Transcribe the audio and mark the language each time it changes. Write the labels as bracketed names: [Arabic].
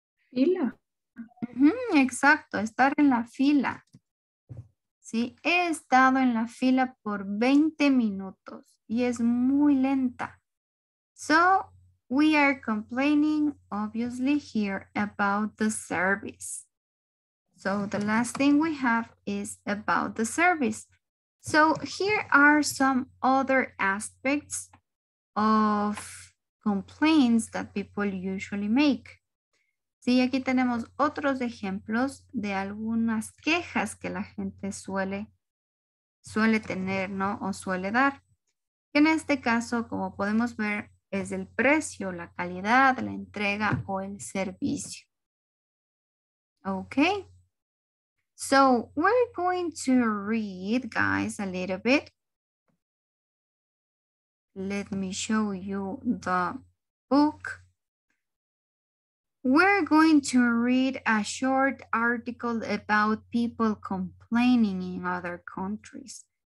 [Spanish] Fila. Mm-hmm, exacto, estar en la fila. Sí, he estado en la fila por 20 minutos y es muy lenta. [English] So, we are complaining, obviously, here about the service. So, the last thing we have is about the service. So, here are some other aspects of complaints that people usually make. [Spanish] Sí, aquí tenemos otros ejemplos de algunas quejas que la gente suele tener, ¿no? O suele dar. En este caso, como podemos ver, es el precio, la calidad, la entrega o el servicio. [English] Okay. So, we're going to read, guys, a little bit. Let me show you the book. We're going to read a short article about people complaining in other countries.